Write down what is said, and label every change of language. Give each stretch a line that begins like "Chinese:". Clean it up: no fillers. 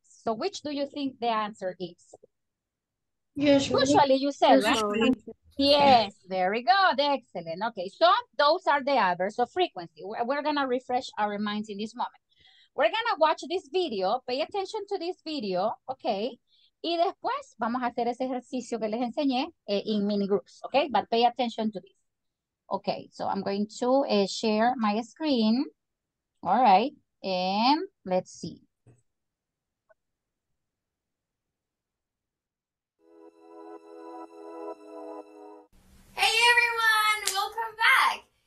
English: So which do you think the answer is? Usually. Usually you said, usually. Right? Yes, very good, excellent. Okay, so those are the adverbs of frequency. We're gonna refresh our minds in this moment. We're gonna watch this video, pay attention to this video, okay?
Spanish: Y después vamos a hacer ese ejercicio que les enseñé
English: in mini groups, okay? But pay attention to this. Okay, so I'm going to share my screen. All right, and let's see. Hey everyone, welcome back.